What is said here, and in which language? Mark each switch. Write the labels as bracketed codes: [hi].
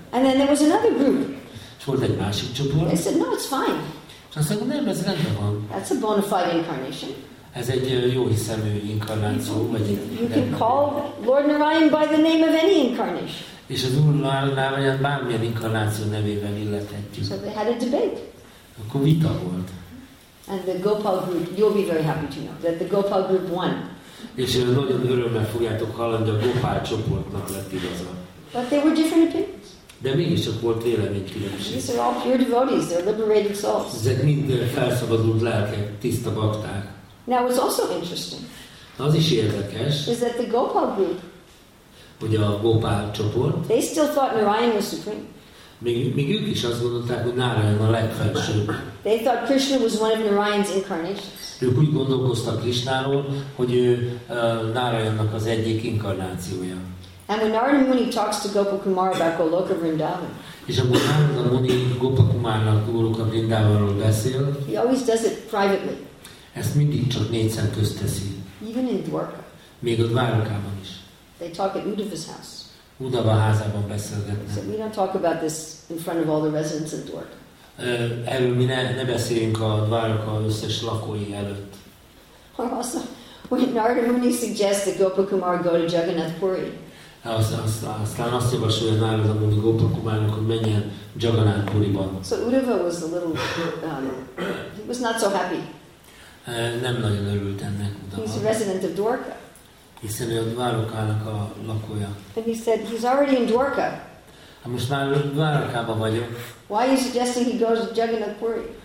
[en] And then there was another group. [hu] És volt egy másik csoport. [en] They said, no, it's fine. [hu] És azt mondja, nem, ez rendben van. [en] That's a bona fide incarnation. [hu] Ez egy jó hiszemű inkarnáció. [en] You can call Lord Narayan by the name of any incarnation. [hu] És az Úr Narayan bármilyen inkarnáció nevében illethetjük. [en] So they had a debate. [hu] Akkor vita volt. [en] And the Gopal group, you'll be very happy to know that the Gopal group won. [hu] És nagyon örömmel fogjátok hallani, a Gopal csoportnak lett igaza. [en] But they were different opinions. [hu] De mégiscsak volt véleménykülönbség. [en] These are all pure devotees, they're liberated souls. [hu] Ezek mind felszabadult lelkek, tiszta bakták. [en] Now it's also interesting. [hu] Az is érdekes. [en] Is that the Gopal group? [hu] Hogy a Gopal csoport. [en] They still thought Narayan was supreme. [hu] Még ők is azt gondolták, hogy Narayan a legfelsőbb. [en] They thought Krishna was one of Narayan's incarnations. [hu] Ők úgy gondolkoztak Krishnáról, hogy ő Narayannak az egyik inkarnációja. [en] And when Narada Muni talks to Gopa Kumar about Goloka Vrindavan. [hu] És amikor Narada Muni Gopa Kumarnak Goloka Vrindavanról beszél. [en] He always does it privately. [hu] Ezt mindig csak négy szem közt teszi. [en] Even in Dwarka. [hu] Még a Dwarkában is. [en] They talk at Uddhava's house. [hu] Uddhava házában beszélgetnek. [en] So we don't talk about this in front of all the residents of Dwarka. [hu] Erről mi ne beszéljünk a Dwarka összes lakói előtt. [en] Or also, when Narada Muni suggests that Gopa Kumar go to Jagannath Puri. [hu] Aztán azt javasolja Narada Muni Gopa Kumarnak, hogy menjen Jagannath Puriban. [en] So Uddhava was a little, he was not so happy. [hu] Nem nagyon örült ennek Uddhava. [en] He's a resident of Dwarka. [hu] Hiszen ő a Dwarkának a lakója. [en] And he said, he's already in Dwarka. [hu] Ha most már Dwarkában vagyok. [en] Why are you suggesting he goes to Jagannath Puri?